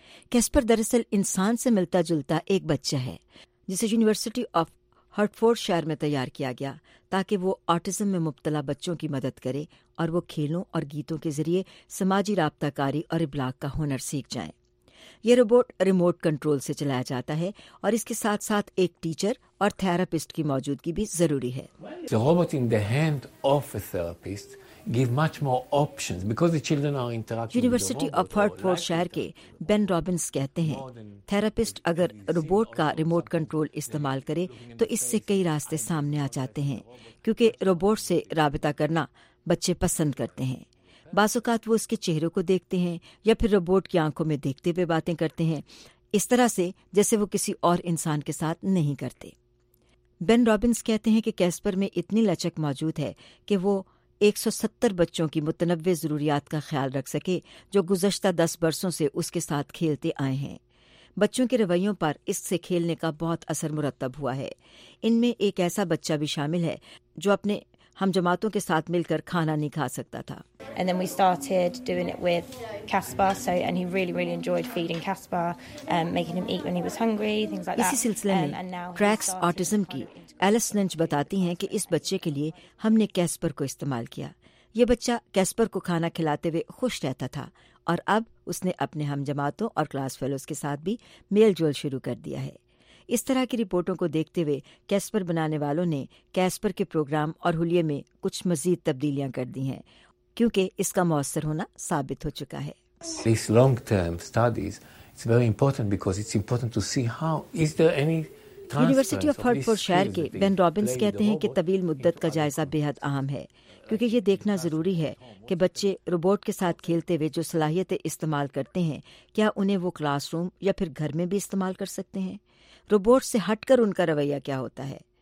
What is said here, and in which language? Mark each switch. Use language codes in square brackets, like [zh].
[ur] کیسپر دراصل انسان سے ملتا جلتا ایک بچہ ہے جسے یونیورسٹی آف ہرٹفورڈ شہر میں تیار کیا گیا تاکہ وہ آٹزم میں مبتلا بچوں کی مدد کرے اور وہ کھیلوں اور گیتوں کے ذریعے سماجی رابطہ کاری اور ابلاغ کا ہنر سیکھ جائیں۔ یہ روبوٹ ریموٹ کنٹرول سے چلایا جاتا ہے اور اس کے ساتھ ساتھ ایک ٹیچر اور تھراپسٹ کی موجودگی بھی ضروری ہے۔ [en] The robot in the hand of a therapist gives much more options because the children are interacting. [ur] University of ہرٹفورڈ شہر کے بین رابنز کہتے ہیں، تھراپسٹ اگر روبوٹ کا ریموٹ کنٹرول استعمال کرے تو اس سے کئی راستے سامنے آ جاتے ہیں، کیونکہ روبوٹ سے رابطہ کرنا بچے پسند کرتے ہیں۔ بعض اوقات وہ اس کے چہرے کو دیکھتے ہیں یا پھر روبوٹ کی آنکھوں میں دیکھتے ہوئے باتیں کرتے ہیں، اس طرح سے جیسے وہ کسی اور انسان کے ساتھ نہیں کرتے۔ بین رابنز کہتے ہیں کہ کیسپر میں اتنی لچک موجود ہے کہ وہ 170 بچوں کی متنوع ضروریات کا خیال رکھ سکے جو گزشتہ 10 برسوں سے اس کے ساتھ کھیلتے آئے ہیں۔ بچوں کے رویوں پر اس سے کھیلنے کا بہت اثر مرتب ہوا ہے۔ ان میں ایک ایسا بچہ بھی شامل ہے جو اپنے ہم جماعتوں کے ساتھ مل کر کھانا نہیں کھا سکتا تھا۔ [en] And then we started doing it with Casper, so and he really really enjoyed feeding Casper and making him eat when he was hungry, things like that. [ur] اسی سلسلے میں ٹریکس آٹزم کی ایلس لنچ بتاتی ہیں کہ اس بچے کے لیے ہم نے کیسپر کو استعمال کیا۔ یہ بچہ کیسپر کو کھانا کھلاتے ہوئے خوش رہتا تھا اور اب اس نے اپنے ہم جماعتوں اور کلاس فیلوز کے ساتھ بھی میل جول شروع کر دیا ہے۔ اس طرح کی رپورٹوں کو دیکھتے ہوئے کیسپر بنانے والوں نے کیسپر کے پروگرام اور حلیے میں کچھ مزید تبدیلیاں کر دی ہیں، کیونکہ اس کا مؤثر ہونا ثابت ہو چکا ہے۔ [en] These long term studies, it's very important because it's important to see how is there any transfer. [ur] University of ہرٹفورڈ شہر کے بین رابنز کہتے ہیں کہ طویل مدت کا جائزہ بے حد اہم ہے، کیونکہ یہ دیکھنا ضروری ہے کہ بچے روبوٹ کے ساتھ کھیلتے ہوئے جو صلاحیتیں استعمال کرتے ہیں، کیا انہیں وہ کلاس روم یا پھر گھر میں بھی استعمال کر سکتے ہیں، روبوٹ سے ہٹ کر ان کا رویہ کیا ہوتا ہے۔